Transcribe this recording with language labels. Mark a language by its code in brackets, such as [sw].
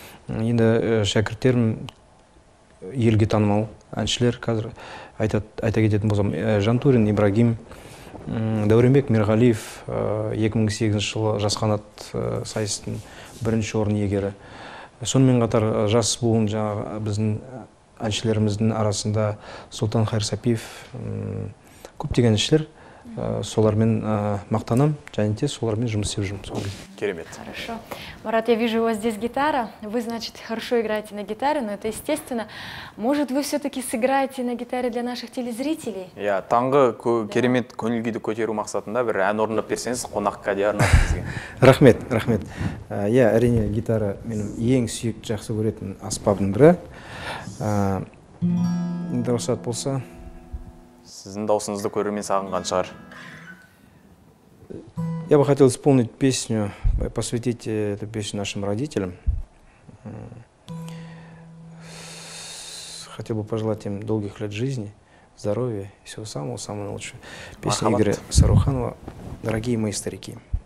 [kk] Енді шәкірттерім елге танымал әншілер, қазір айта кететін болсам Жантурин Ибрагим, Дәуренбек Мерғалиев 2008 жылы Жасқанат сайыстың бірінші орын иегері. Сонымен қатар жас буын біздің әншілеріміздің арасында Султан Хайрсапиев, көптеген әншілер солармен мақтаным, және де солармен жұмыс істеп жүрмін сол кезде. Керемет. [ru] Хорошо. Марат, я вижу, у вас здесь гитара. Вы, значит, хорошо играете на гитаре, но это естественно. Может, вы все-таки сыграете на гитаре для наших телезрителей? [kk] Я таңғы керемет көңіл күйді көтеру мақсатында бір ән орындап берсеңіз, қонаққа да арнайсыз. Рахмет, рахмет. Я әрине гитара менің ең сүйік жақсы көретін аспабым бірі. Дұрысат болса. Сіздің даусыңызды көрермен сағынған шығар. [ru] Я бы хотел исполнить песню, посвятить эту песню нашим родителям. Хотел бы пожелать им долгих лет жизни, здоровья и всего самого-самого лучшего. Песня Игоря Саруханова «Дорогие мои старики».